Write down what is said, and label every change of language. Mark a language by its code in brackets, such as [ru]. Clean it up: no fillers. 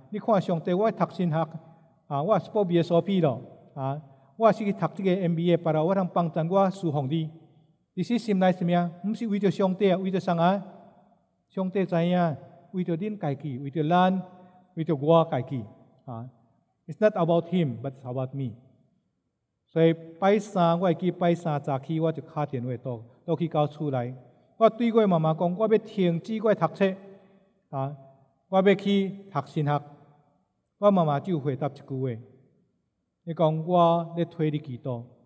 [nan] 你看上帝，我读神学，啊，我是报 BSOP 咯，啊，我是去读这个 MBA， 把了我通帮助我侍奉你。你是心内什么呀？不是为着上帝啊，为着啥啊？上帝知影，为着恁家己，为着咱，为着我家己。 [en] 啊 ，It's not about him, but it's about me。 [nan] 所以拜三，我会记拜三早起，我就打电话都去到厝内。我对我妈妈讲，我要停止我读册，啊。我要去读神学，我妈妈就回答一句话：，你讲我咧推你几多？